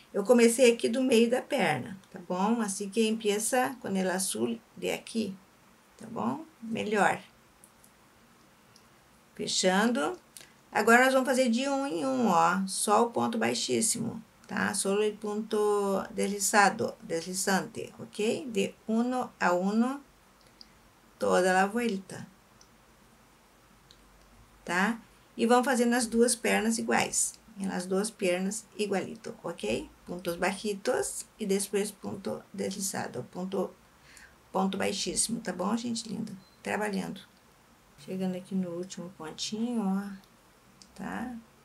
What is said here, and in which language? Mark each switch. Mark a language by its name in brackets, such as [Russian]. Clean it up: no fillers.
[Portuguese] Eu comecei aqui do meio da perna, tá bom? Assim que [Spanish] empieza [Portuguese] com [Spanish] el azul [Portuguese] de aqui, tá bom? Melhor. Fechando. Agora nós vamos fazer de um em um, ó. Só o ponto baixíssimo, tá? [Spanish] Solo el punto deslizado, deslizante, ok? De uno a uno, toda la vuelta. [Portuguese] Tá? E vamos fazer nas duas pernas iguais. Nas duas pernas [Spanish] igualito, [Portuguese] ok? Pontos baixitos e depois ponto deslizado, ponto baixíssimo, tá bom, gente linda? Trabalhando. Chegando aqui no último pontinho, ó, tá?